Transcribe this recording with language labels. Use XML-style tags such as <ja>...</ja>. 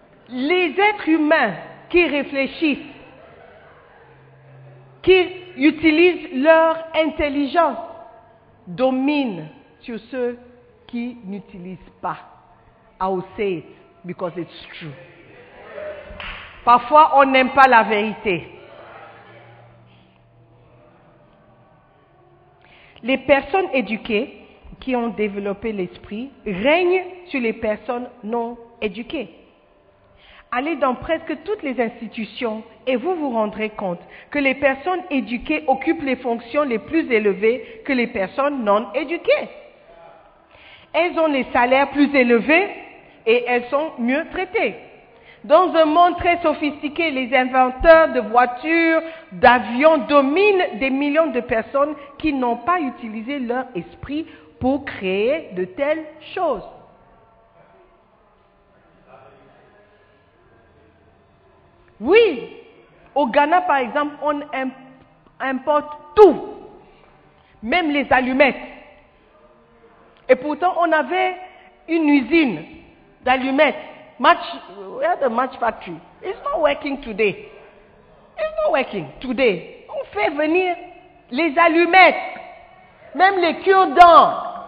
<fr>Les êtres humains qui réfléchissent, qui utilisent leur intelligence, dominent sur ceux qui n'utilisent pas.</fr> <en>I will say it because it's true.</en> <fr>Parfois, on n'aime pas la vérité. Les personnes éduquées qui ont développé l'esprit règnent sur les personnes non éduquées. Allez dans presque toutes les institutions et vous vous rendrez compte que les personnes éduquées occupent les fonctions les plus élevées que les personnes non éduquées. Elles ont les salaires plus élevés et elles sont mieux traitées. Dans un monde très sophistiqué, les inventeurs de voitures, d'avions dominent des millions de personnes qui n'ont pas utilisé leur esprit pour créer de telles choses. Oui, au Ghana par exemple, on importe tout, même les allumettes. Et pourtant, on avait une usine d'allumettes.</fr> <en>Match, where the match factory? It's not working today. It's not working today.</en> <fr>On fait venir les allumettes, même les cure-dents.</fr>